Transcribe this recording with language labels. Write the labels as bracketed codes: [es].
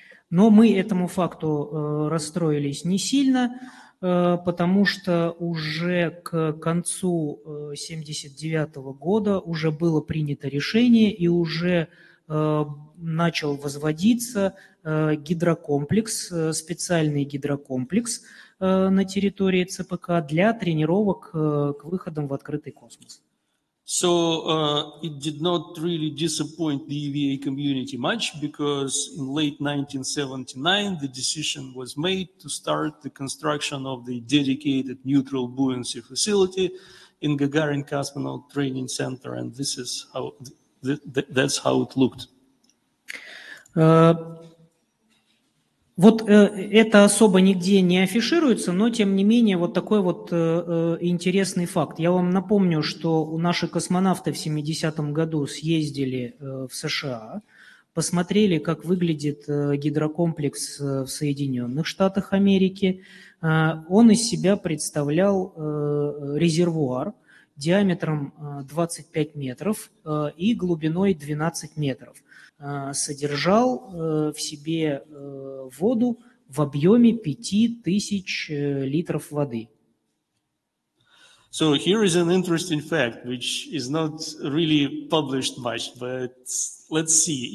[ru] Но мы этому факту расстроились не сильно, потому что уже к концу 79 года уже было принято решение и уже начал возводиться гидрокомплекс, специальный гидрокомплекс на территории ЦПК для тренировок к выходам в открытый космос. [en] So it did not really disappoint the EVA community much, because in late 1979 the decision was made to start the construction of the dedicated neutral buoyancy facility in Gagarin Cosmonaut Training Center, and this is how that's how it looked. [ru] Вот это особо нигде не афишируется, но тем не менее вот такой вот интересный факт. Я вам напомню, что наши космонавты в 70-м году съездили в США, посмотрели, как выглядит гидрокомплекс в Соединенных Штатах Америки. Он из себя представлял резервуар диаметром 25 метров и глубиной 12 метров. Содержал в себе воду в объеме 5000 литров воды. [en] So here is an interesting fact, which is not really published much, but let's see.